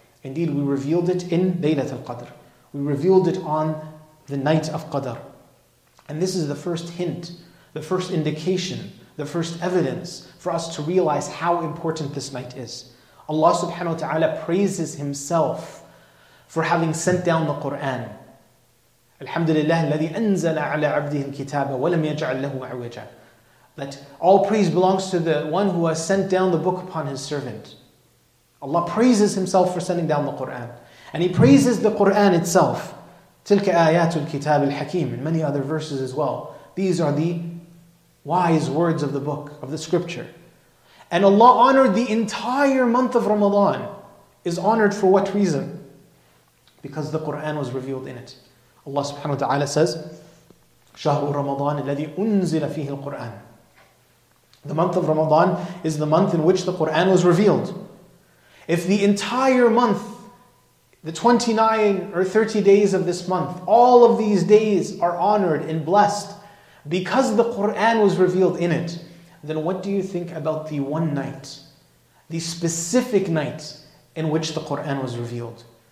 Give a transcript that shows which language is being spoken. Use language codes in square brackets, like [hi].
[en] Indeed, we revealed it in Laylat al-Qadr. We revealed it on the night of Qadr. And this is the first hint, the first indication, the first evidence for us to realize how important this night is. Allah subhanahu wa ta'ala praises Himself for having sent down the Qur'an. Alhamdulillah, [ar] الَّذِي أَنزَلَ عَلَىٰ عَبْدِهِ الْكِتَابَ وَلَمْ يَجْعَلْ لَهُ عِوَجًا. [en] That all praise belongs to the one who has sent down the book upon his servant. Allah praises himself for sending down the Qur'an. And he praises the Qur'an itself. [ar] تِلْكَ آيَاتُ الْكِتَابِ الْحَكِيمِ [en] and many other verses as well. These are the wise words of the book, of the scripture. And Allah honored the entire month of Ramadan. Is honored for what reason? Because the Qur'an was revealed in it. Allah subhanahu wa ta'ala says, [ar] شَهْرُ رَمَضَانِ الَّذِي أُنزِلَ فِيهِ الْقُرْآنِ. [en] The month of Ramadan is the month in which the Qur'an was revealed. If the entire month, the 29 or 30 days of this month, all of these days are honored and blessed because the Qur'an was revealed in it, then what do you think about the one night, the specific night in which the Qur'an was revealed?